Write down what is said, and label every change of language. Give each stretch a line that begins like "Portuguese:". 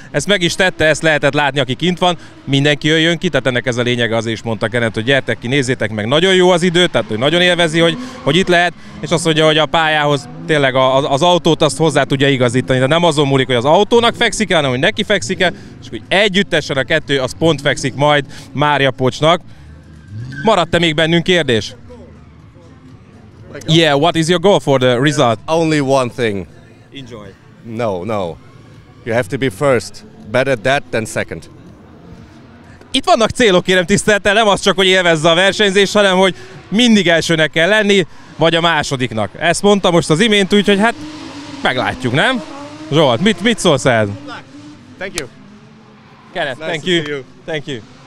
Hungarian: Ezt meg is tette, ezt lehetett látni, aki kint van. Mindenki jöjjön ki, tehát ennek ez a lényege, az is mondta Kenneth, hogy gyertek ki, nézzétek meg, nagyon jó az idő, tehát hogy nagyon élvezi, hogy itt lehet, és azt mondja, hogy a pályához tényleg az autót azt hozzá tudja igazítani. De nem azon múlik, hogy az autónak fekszik, hanem hogy neki fekszik-e, és hogy együttesen a kettő az pont fekszik majd Mariupolnak. Maradt-e még bennünk kérdés?
English: Yeah, what is your goal for the result? Only one thing. Enjoy. No, no. You have to be first. Better that than second.
Hungarian: Itt vannak célok, kérem tisztelettel, nem az csak, hogy élvezze a versenyzés, hanem hogy mindig elsőnek kell lenni, vagy a másodiknak. Ezt mondta most az imént, úgyhogy hát meglátjuk, nem? Zsolt, mit szólsz ehhez?
English: Thank you. Kenneth, nice thank you. You. Thank you.